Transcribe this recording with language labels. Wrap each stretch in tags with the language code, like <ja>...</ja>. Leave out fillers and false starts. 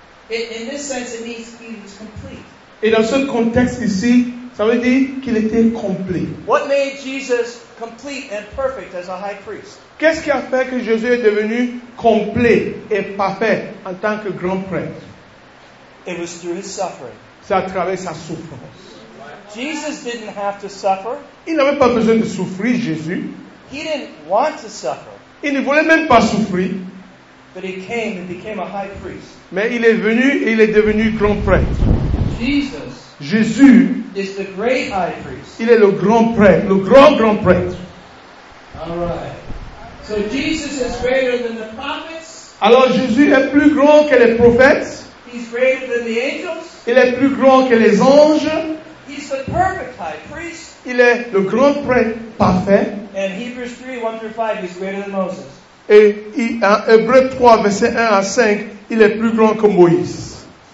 <en>In this sense, it means he was complete.</en> <fr>Et dans ce contexte ici, ça veut dire qu'il était complet.</fr> <en>What made Jesus complete and perfect as a high priest?</en> <fr>Qu'est-ce qui a fait que Jésus est devenu complet et parfait en tant que grand prêtre?</fr> <en>It was through his suffering.</en> <fr>C'est à travers sa souffrance.</fr> <en>Jesus didn't have to suffer.</en> <fr>Il n'avait pas besoin de souffrir, Jésus.</fr> <en>He didn't want to suffer.</en> <fr>Il ne voulait même pas souffrir.</fr> <en>But he came and became a high priest.</en> <fr>Mais il est venu et il est devenu grand prêtre.</fr> <en>Jesus.</en> <fr>Jésus.</fr> <en>Is the great high priest.</en> <fr>Il est le grand prêtre, le grand grand prêtre.</fr> <en>All right. So Jesus is greater than the prophets.</en> <fr>Alors Jésus est plus grand que les prophètes.</fr> <en>He's greater than the angels.</en> <fr>Il est plus grand que les anges.</fr> <en>He's the perfect high priest.</en> <fr>Il est le grand prêtre parfait.</fr> <en>And Hebrews 3, 1 through 5, he's greater than Moses.</en> <fr>Et en Hébreux 3, verset 1 à 5, il est plus grand que Moïse.</fr>